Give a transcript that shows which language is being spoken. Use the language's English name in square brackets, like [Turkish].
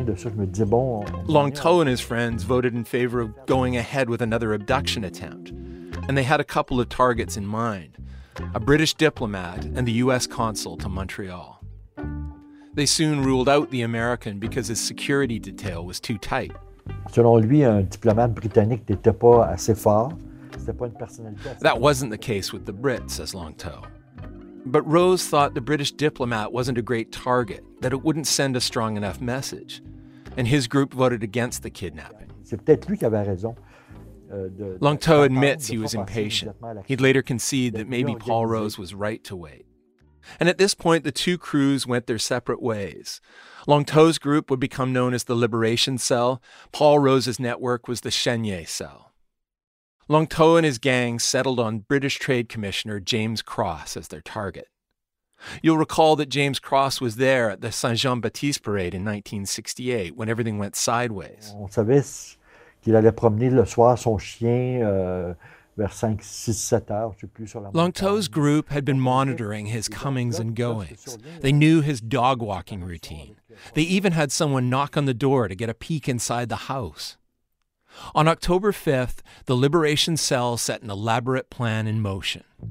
[English] Longto and his friends voted in favor of going ahead with another abduction attempt. And they had a couple of targets in mind, a British diplomat and the U.S. consul to Montreal. They soon ruled out the American because his security detail was too tight. [French] Selon lui, un diplomate britannique n'était pas assez fort. [English] That wasn't the case with the Brit, says Longto. But Rose thought the British diplomat wasn't a great target, that it wouldn't send a strong enough message. And his group voted against the kidnapping. Longto admits he was impatient. He'd later concede that maybe Paul Rose was right to wait. And at this point, the two crews went their separate ways. Longto's group would become known as the Liberation Cell. Paul Rose's network was the Chenier Cell. Longto and his gang settled on British Trade Commissioner James Cross as their target. You'll recall that James Cross was there at the Saint-Jean-Baptiste parade in 1968 when everything went sideways. [French] On savait qu'il allait promener le soir son chien vers 5, 6, 7 heures, je sais plus, sur la [English] Longto's group had been monitoring his comings and goings. They knew his dog walking routine. They even had someone knock on the door to get a peek inside the house. On October 5th, the Liberation Cell set an elaborate plan in motion.